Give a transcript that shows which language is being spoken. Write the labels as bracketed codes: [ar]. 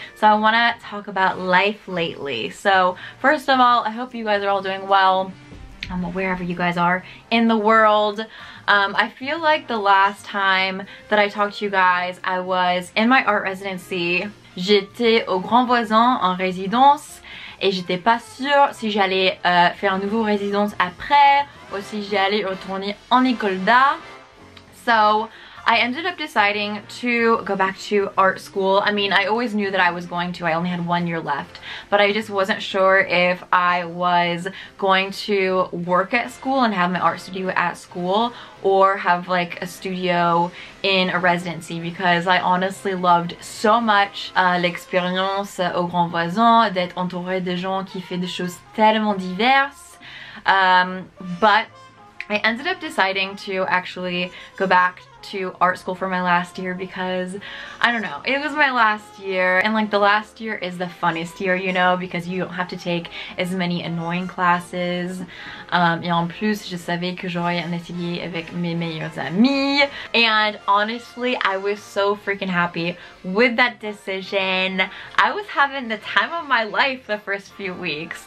[en] So I wanna talk about life lately. So first of all, I hope you guys are all doing well, wherever you guys are in the world. I feel like the last time that I talked to you guys, I was in my art residency. [fr] J'étais au grand voisin en résidence. Et j'étais pas sûre si j'allais faire un nouveau résidence après ou si j'allais retourner en école d'art. [en] So, I ended up deciding to go back to art school. I mean, I always knew that I was going to. I only had 1 year left. But I just wasn't sure if I was going to work at school and have my art studio at school or have like a studio in a residency, because I honestly loved so much [fr] l'expérience au grand voisin, d'être entourée de gens qui font des choses tellement diverses. [en] But I ended up deciding to actually go back to art school for my last year because, I don't know, it was my last year. And like the last year is the funnest year, you know, because you don't have to take as many annoying classes. [fr] Et en plus, je savais que j'aurais un atelier avec mes meilleurs amis. [en] And honestly, I was so freaking happy with that decision. I was having the time of my life the first few weeks.